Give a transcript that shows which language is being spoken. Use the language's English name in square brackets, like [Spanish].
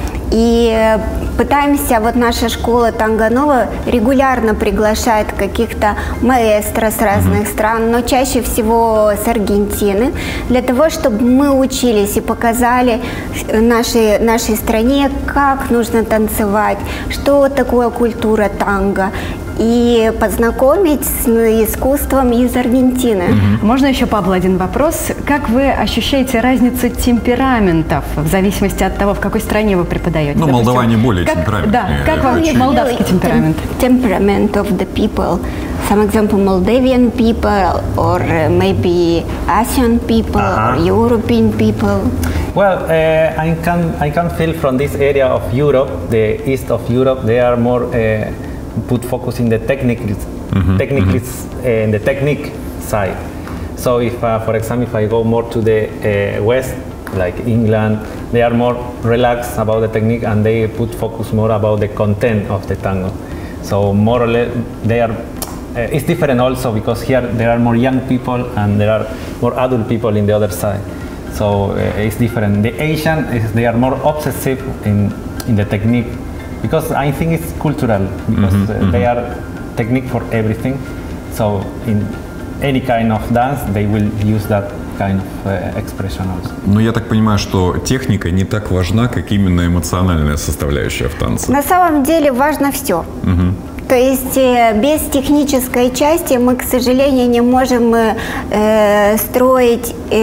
[Russian] И пытаемся, вот наша школа Танго Ново регулярно приглашает каких-то маэстро с разных стран, но чаще всего с Аргентины, для того, чтобы мы учились и показали нашей стране, как нужно танцевать, что такое культура танго, и познакомить с искусством из Аргентины. Можно еще, Пабло, один вопрос? Как вы ощущаете разницу темпераментов в зависимости от того, в какой стране вы преподаете? Ну, молдаване более темпераментные. Да, как вам молдавский темперамент? [English] Temperament of the people. Some example, Moldavian people, or maybe Asian people, or European people. Well, I can feel from this area of Europe, the east of Europe, they are more put focus in the technicals in the technique side. So if for example, if I go more to the west, like England, they are more relaxed about the technique and they put focus more about the content of the tango. So more or less they are it's different also, because here there are more young people and there are more adult people in the other side. So it's different. The Asian is they are more obsessive in the technique. Because I think it's cultural, because they are technique for everything. So in any kind of dance, they will use that kind of expression also. [Russian] Но я так понимаю, что техника не так важна, как именно эмоциональная составляющая в танце. На самом деле важно все. То есть без технической части мы, к сожалению, не можем строить